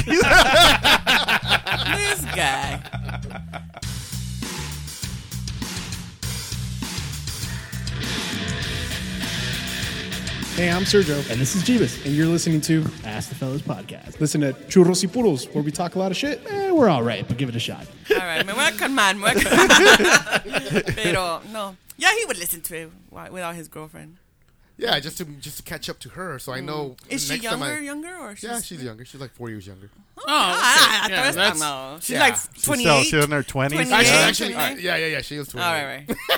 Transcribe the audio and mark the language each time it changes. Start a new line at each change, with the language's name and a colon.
English: This guy. Hey, I'm Sergio. And this is Jeebus. And you're listening to Ask the Fellas Podcast. Listen to Churros y Puros, where we talk a lot of shit. We're all right, but give it a shot. All
Spanish: right, me voy a calmar, me voy a calmar. Pero, no.
English: Yeah, he would listen to it without his girlfriend. Yeah, just to catch up to her, so I know. Is she younger? Or she's she's younger. She's like 4 years younger. Oh, okay. She's like 28. She's in her 20s. Yeah. She is 28.